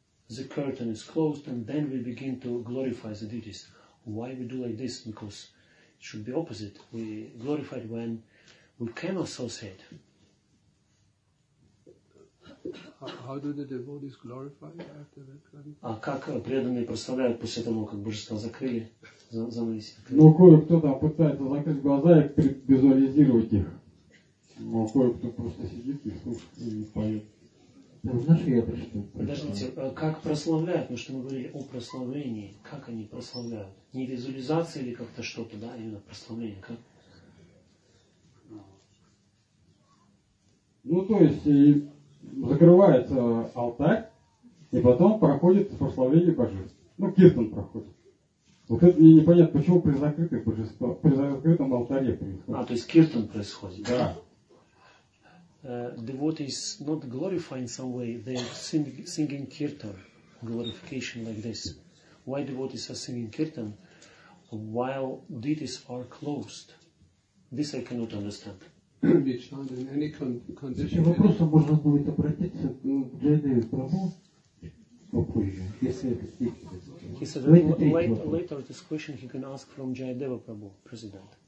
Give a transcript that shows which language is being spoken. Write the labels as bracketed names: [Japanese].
[English] The curtain is closed and then we begin to glorify the deities. Why we do like this? Because it should be opposite. We glorify when we can associate. How do the devotees glorify after that kind? [Russian] А как преданные прославляют после того, как божества закрыли занавеси? Ну, кое-кто там пытается закрыть глаза и визуализировать их. Но кое-кто просто сидит и слушает и поет. Знаешь, я прочитал. Подождите, как прославляют? Потому что мы говорили о прославлении. Как они прославляют? Не визуализация или как-то что-то, да? Именно прославление. Как? Ну, то есть, и закрывается алтарь, и потом проходит прославление божеств. Ну, киртан проходит. Вот это мне непонятно, почему при закрытом божество, при закрытом алтаре происходит. А, то есть киртан происходит? Да. [English] Devotees not glorify in some way, they are singing kirtan, glorification like this. Why devotees are singing kirtan while deities are closed? This I cannot understand. [Russian] Вопросы можно будет обратиться к Джайдеве Прабху попозже, если это стихи. [English] He said that later this question he can ask from Jayadeva Prabhu, president.